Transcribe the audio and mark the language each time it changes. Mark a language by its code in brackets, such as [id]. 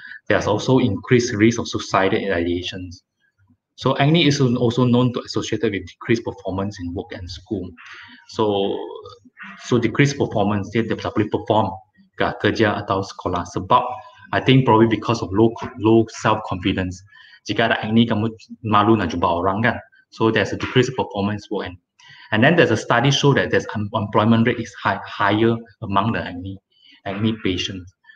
[en] There's also increased risk of suicidal ideations. So acne is also known to associate with decreased performance in work and school. So decreased performance, they probably perform [ms] kerja atau sekolah. [en] Sebab, I think probably because of low self-confidence. [ms] Jika ada acne, kamu malu nak jumpa orang kan? [en] So there's a decreased performance. And then there's a study show that there's unemployment rate is higher among the acne patients.